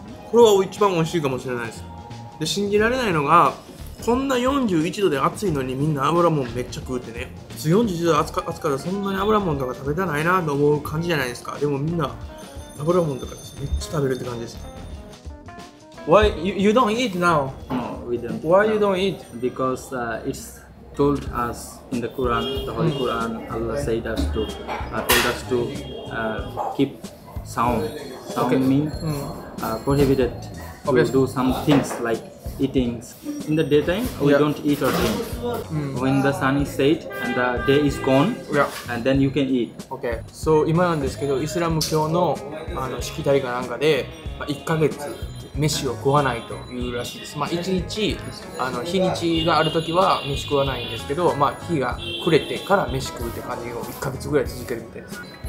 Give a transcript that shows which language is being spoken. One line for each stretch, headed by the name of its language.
Japanese: これは一番美味しいかもしれないです。で、信じられないのがこんな41度で暑いのにみんな油もんめっちゃ食うてね、41度暑かったらそんなに油もんとか食べたないなと思う感じじゃないですか。でもみんな食べるものとかです。めっちゃ食べるって感じです。
English: Why you don't eat now? No, we don't. Why now. You don't eat? Because it's told us in the Quran, the Holy Quran, Allah said us to, told us to keep sound. Sound okay. Means prohibited to okay. Do some things like eating. In the daytime, we yeah. Don't eat or drink. Mm. When the sun is set and the day is gone, yeah. And then you can eat. Okay.
Japanese: So, 今なんですけど、イスラム教の、あの、しきたりかなんかで、まあ、1ヶ月、飯を食わないというらしいです。まあ、1日、あの、日にちがあるときは飯食わないんですけど、まあ、日が暮れてから飯食うって感じを1ヶ月ぐらい続けるみたいです。